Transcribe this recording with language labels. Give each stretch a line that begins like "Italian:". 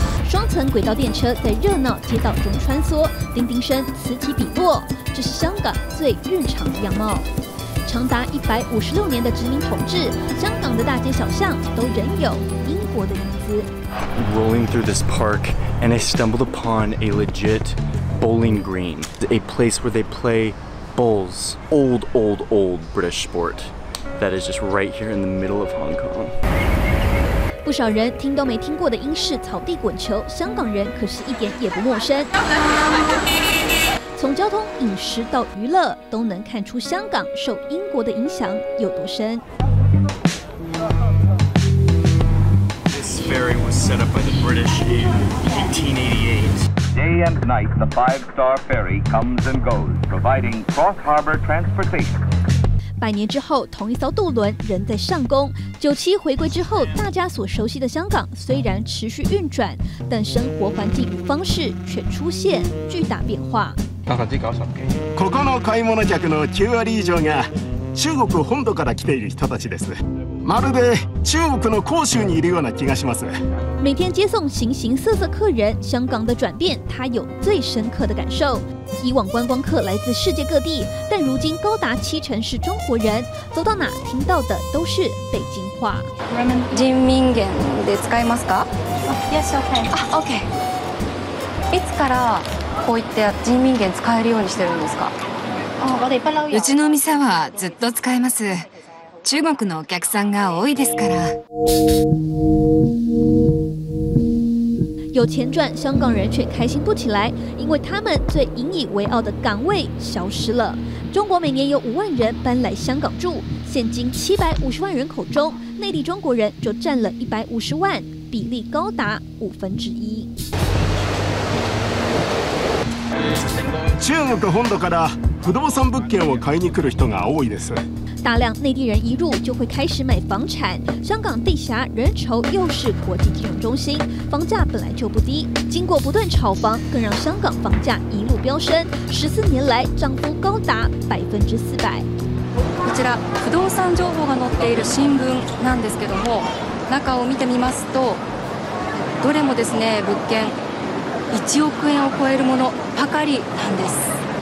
Chinese: 双层轨道电车在热闹街道中穿梭，叮叮声此起彼落，这是香港最日常的样貌。长达156年的殖民统治，香港的大街小巷都仍有英国的影子。
English: Rolling through this park, and I stumbled upon a legit bowling green, a place where they play bowls, old British sport that is just right here in the middle of Hong Kong.
Chinese: 不少人听都没听过的英式草地滚球，香港人可是一点也不陌生。从交通、饮食到娱乐，都能看出香港受英国的影响有多深。
English: Day and night, the five-star ferry comes and goes, providing cross-harbor transportation.
Chinese: 百年之后，同一艘渡轮仍在上宫。九七回归之后，大家所熟悉的香港虽然持续运转，但生活环境与方式却出现巨大变化。百分之九十几。
Japanese: ここの買い物客の9割以上が中国本土から来ている人たちです。まるで中国の杭州にいるような気がします。
Chinese: 每天接送形形色色客人，香港的转变他有最深刻的感受。以往观光客来自世界各地，但如今高达七成是中国人，走到哪听到的都是北京话。
Japanese: 人民元で使いますか？
English: Yes, okay.
Japanese: いつからこういった人民元使えるようにしてるんですか？うちの店はずっと使えます。中国のお客さんが多いですから。
Chinese: 有钱赚，香港人却开心不起来，因为他们最引以为傲的岗位消失了。中国每年有50,000人搬来香港住，现今750万人口中，内地中国人就占了150万，比例高达1/5。
Japanese: 中国本土から不動産物件を買いに来る人が多いです。
Chinese: 大量内地人一入就会开始买房产。香港地狭人稠，又是国际金融中心，房价本来就不低，经过不断炒房，更让香港房价一路飙升，14年来涨幅高达400%。
Japanese: こちら不動産情報が載っている新聞なんですけども、中を見てみますと、どれもですね、物件1億円を超えるものばかりなんです。